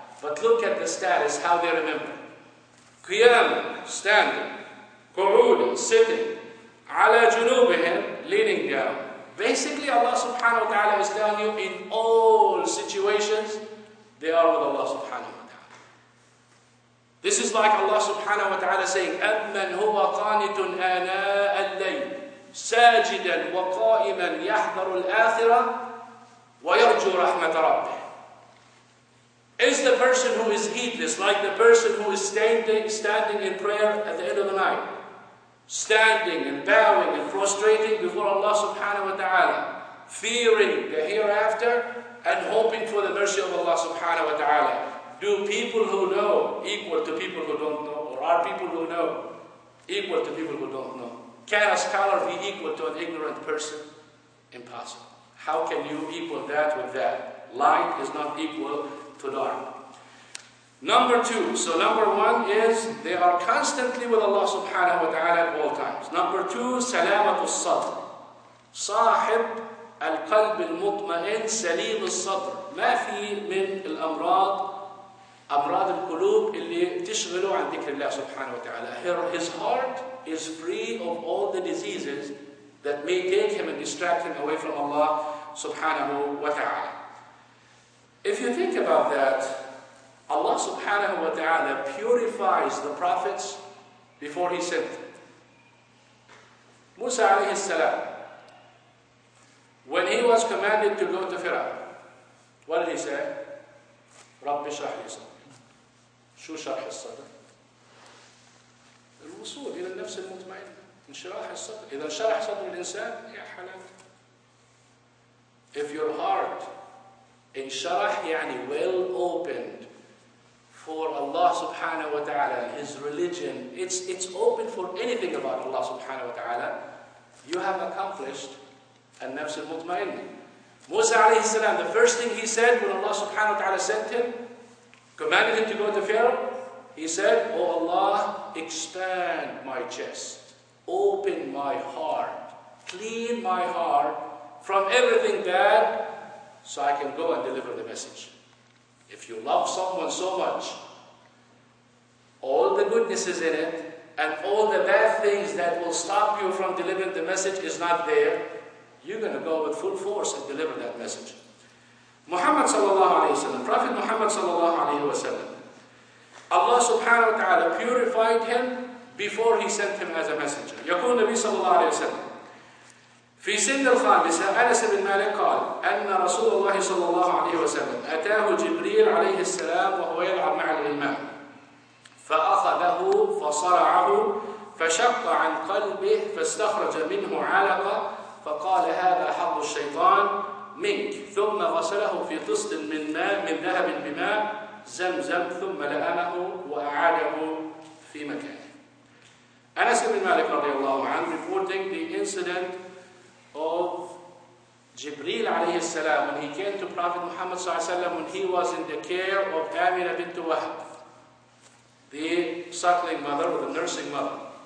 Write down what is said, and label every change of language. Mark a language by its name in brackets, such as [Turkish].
[English] But look at the status, how they remember. قِيَامًا, standing. قُعُودًا, sitting. [Arabic] عَلَى جُنُوبِهِمْ, [English] leaning down. Basically, Allah subhanahu wa ta'ala is telling you, in all situations, they are with Allah subhanahu wa ta'ala. This is like Allah subhanahu wa ta'ala saying, [Arabic] أَمَّنْ هُوَ قَانِتٌ آنَاءَ اللَّيْلِ سَاجِدًا وَقَائِمًا يَحْذَرُ الْآخِرَةِ ويرجو رحمة ربه. [English] Is the person who is heedless like the person who is standing in prayer at the end of the night, standing and bowing and prostrating before Allah subhanahu wa ta'ala, fearing the hereafter and hoping for the mercy of Allah subhanahu wa ta'ala? Do people who know equal to people who don't know? Or are people who know equal to people who don't know? Can a scholar be equal to an ignorant person? Impossible. How can you equal that with that? Light is not equal to dark. Number two. So number one is they are constantly with Allah subhanahu wa ta'ala at all times. [Arabic] Number two, salamatu sadr. Sahib al-qalb al-mutma'in salim al-sadr. ما في من الأمراض أمراض القلوب اللي تشغلوا عن ذكر الله سبحانه وتعالى. [English] His heart is free of all the diseases that may take him and distract him away from Allah subhanahu wa ta'ala. If you think about that, Allah subhanahu wa ta'ala purifies the prophets before he sent them. Musa alayhi salam, when he was commanded to go to Pharaoh, what did he say? [Arabic] Rabbi shahli sadri. شو شرح الصدر؟ الوصول إلى النفس المطمئنة، انشراح الصدر. إذا شرح صدر الإنسان يا حلال. [English] If your heart [Arabic] انشرح يعني [English] well opened for Allah subhanahu wa ta'ala, His religion, it's open for anything about Allah subhanahu wa ta'ala, you have accomplished النفس المطمئنة. موسى عليه السلام, the first thing he said when Allah subhanahu wa ta'ala sent him, commanded him to go to Pharaoh, he said, oh Allah, expand my chest, open my heart, clean my heart from everything bad, so I can go and deliver the message. If you love someone so much, all the goodness is in it, and all the bad things that will stop you from delivering the message is not there, you're going to go with full force and deliver that message. Muhammad sallallahu alayhi wa sallam, Prophet Muhammad sallallahu alayhi wa sallam, Allah subhanahu wa ta'ala purified him before he sent him as a messenger. [Arabic] يقول نبي صلى الله عليه وسلم في سن الخامسة أنس بن مالك قال أن رسول الله صلى الله عليه وسلم أتاه جبريل عليه السلام وهو يلعب مع الإماء فأخذه فصرعه فشق عن قلبه فاستخرج منه علقة فقال هذا حظ الشيطان منك ثم غسله في طست من ماء من ذهب بماء زمزم ثم لأمه وأعاده في مكانه. [English] أنس بن مالك رضي الله عنه reporting the incident of جبريل عليه السلام when he came to Prophet Muhammad صلى الله عليه وسلم when he was in the care of Amina bint Wahb, the suckling mother or the nursing mother.